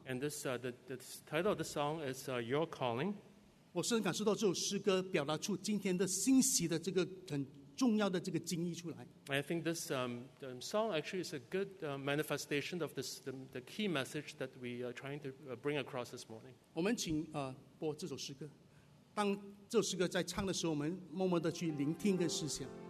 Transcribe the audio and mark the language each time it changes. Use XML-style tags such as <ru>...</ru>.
<en>And this the title of the song is Your Calling.</en> <zh>我深深感受到这首诗歌表达出今天的信息的这个很重要的这个精义出来。</zh> <en>I think this song actually is a good manifestation of this the key message that we are trying to bring across this morning.</en> <zh>我们请播这首诗歌。当这首诗歌在唱的时候，我们默默的去聆听跟思想。</zh>